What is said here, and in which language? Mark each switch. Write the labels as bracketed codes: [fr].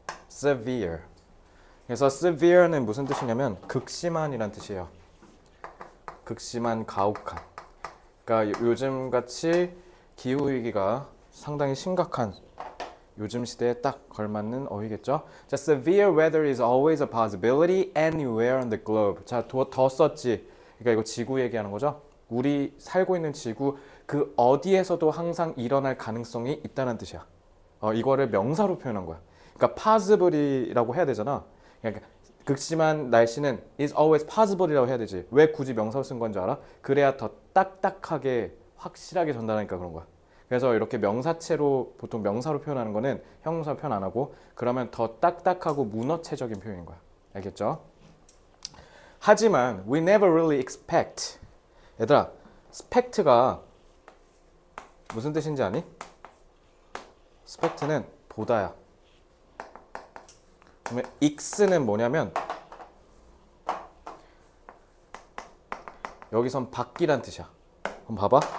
[en] severe. [ko] 그래서 severe는 무슨 뜻이냐면 극심한이란 뜻이에요. 극심한, 가혹한. 그러니까 요즘같이 기후위기가 상당히 심각한 요즘 시대에 딱 걸맞는 어휘겠죠? [en] 자, severe weather is always a possibility anywhere on the globe. [ko] 자, 더 썼지. 그러니까 이거 지구 얘기하는 거죠? 우리 살고 있는 지구, 그 어디에서도 항상 일어날 가능성이 있다는 뜻이야. 이거를 명사로 표현한 거야. 그러니까 possibility라고 해야 되잖아. 그러니까 극심한 날씨는 [en] is always possible [ko] 이라고 해야 되지. 왜 굳이 명사로 쓴 건지 알아? 그래야 더 딱딱하게 확실하게 전달하니까 그런 거야. 그래서 이렇게 명사체로 보통 명사로 표현하는 거는 형용사 표현 안 하고 그러면 더 딱딱하고 문어체적인 표현인 거야. 알겠죠? [en] 하지만 we never really expect. [ko] 얘들아, 스펙트가 무슨 뜻인지 아니? 스펙트는 보다야. 그러면 익스는 뭐냐면 여기선 밖이란 뜻이야. 그럼 봐봐.